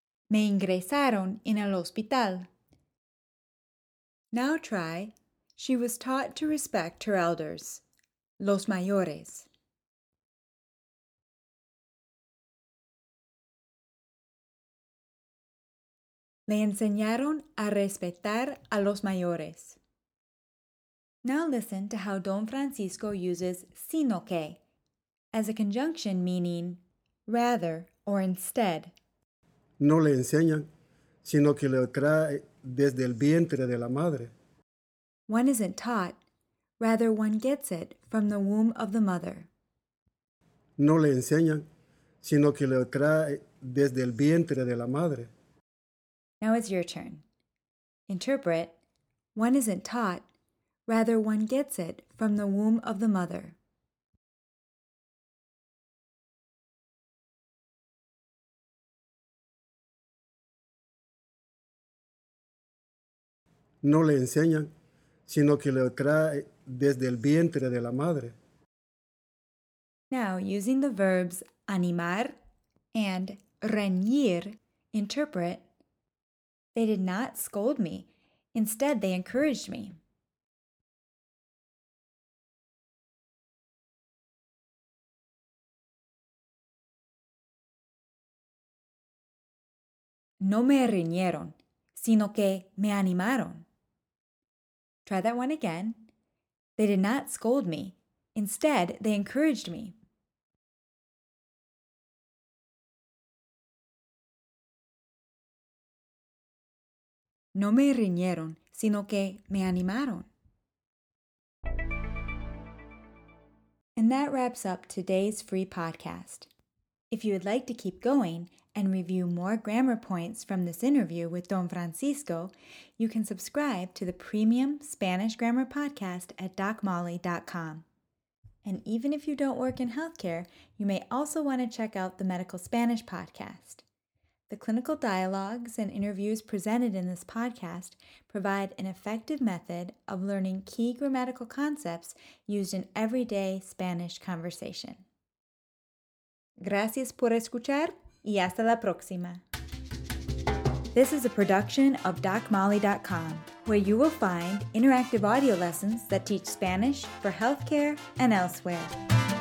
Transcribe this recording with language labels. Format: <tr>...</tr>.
<es>Me ingresaron en el hospital.</es> <en>Now try, she was taught to respect her elders,</en> <es>los mayores. Le enseñaron a respetar a los mayores.</es> <en>Now listen to how Don Francisco uses sino que as a conjunction meaning rather or instead.</en> <es>No le enseñan, sino que le trae desde el vientre de la madre.</es> <en>One isn't taught, rather one gets it from the womb of the mother.</en> <es>No le enseñan, sino que le trae desde el vientre de la madre.</es> <en>Now it's your turn. Interpret, one isn't taught, rather one gets it from the womb of the mother.</en> <es>no le enseñan, sino que lo trae desde el vientre de la madre.</es> <en>Now, using the verbs animar and reñir, interpret, they did not scold me. Instead, they encouraged me.</en> <es>No me riñeron, sino que me animaron.</es> <en>Try that one again. They did not scold me. Instead, they encouraged me.</en> <es>No me riñeron, sino que me animaron.</es> <en>And that wraps up today's free podcast. If you would like to keep going and review more grammar points from this interview with Don Francisco, you can subscribe to the premium Spanish grammar podcast at DocMolly.com. And even if you don't work in healthcare, you may also want to check out the Medical Spanish podcast. The clinical dialogues and interviews presented in this podcast provide an effective method of learning key grammatical concepts used in everyday Spanish conversation.</en> <es>Gracias por escuchar y hasta la próxima.</es> <en>This is a production of DocMolly.com, where you will find interactive audio lessons that teach Spanish for healthcare and elsewhere.</en>